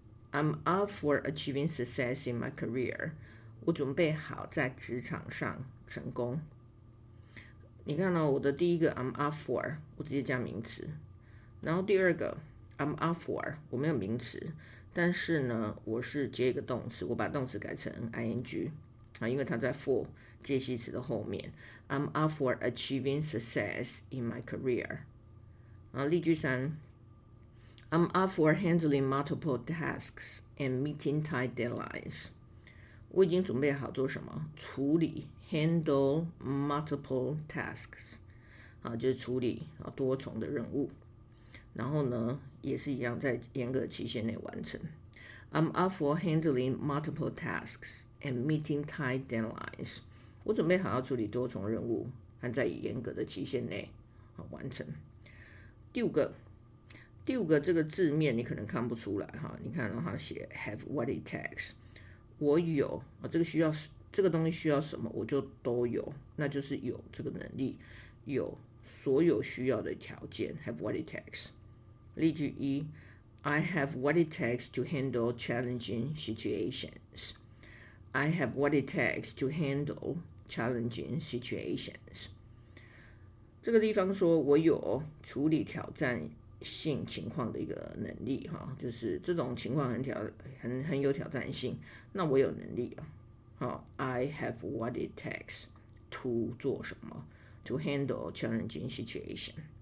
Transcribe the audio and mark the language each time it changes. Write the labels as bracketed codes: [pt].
[en] I'm up for achieving success in my career. [zh] 我准备好在职场上成功。你看到我的第一个 [en] I'm up for， [zh] 我直接加名词。然后第二个 [en] I'm up for， [zh] 我没有名词，但是呢，我是接一个动词，我把动词改成 ing 啊，因为它在 for 介系词的后面。 [en] I'm up for achieving success in my career. [zh] 然后例句三。 [en] I'm up for handling multiple tasks and meeting tight deadlines. [zh] 我已经准备好做什么？处理 [en] handle multiple tasks， [zh] 啊，就是处理多重的任务。然后呢，也是一样在严格期限内完成。 [en] I'm up for handling multiple tasks and meeting tight deadlines. [zh] 我准备好要处理多重任务，还在严格的期限内完成。第五个这个字面你可能看不出来哈，你看他写 [en] have what it takes， [zh] 我有啊，这个需要这个东西需要什么我就都有，那就是有这个能力，有所有需要的条件 have what it takes。例句一 [en] ，I have what it takes to handle challenging situations. I have what it takes to handle challenging situations. [zh] 这个地方说我有处理挑战。性情况的一个能力就是这种情况 很有挑战性，那我有能力 [en] I have what it takes to [zh] 做什么 [en] to handle challenging situation。